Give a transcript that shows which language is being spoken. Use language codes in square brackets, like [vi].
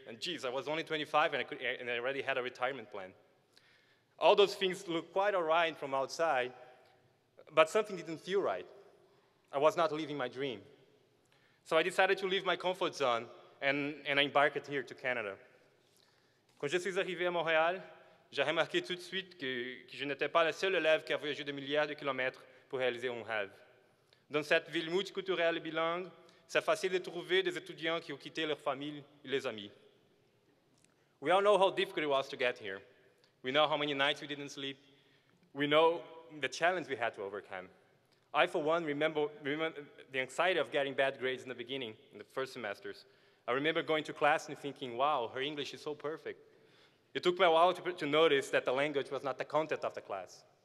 [en] And geez, I was only 25 and I already had a retirement plan. All those things looked quite all right from outside, but something didn't feel right. I was not living my dream. So I decided to leave my comfort zone and I embarked here to Canada. [fr] Quand je suis arrivé à Montréal, j'ai remarqué tout de suite que je n'étais pas le seul élève qui a voyagé de milliards de kilomètres pour réaliser un rêve. Dans cette ville multiculturelle et bilingue, c'est facile de trouver des étudiants qui ont quitté leur famille et les amis. [en] We all know how difficult it was to get here. We know how many nights we didn't sleep. We know the challenge we had to overcome. I, for one, remember the anxiety of getting bad grades in the beginning, in the first semesters. I remember going to class and thinking, wow, her English is so perfect. It took me a while to notice that the language was not the content of the class.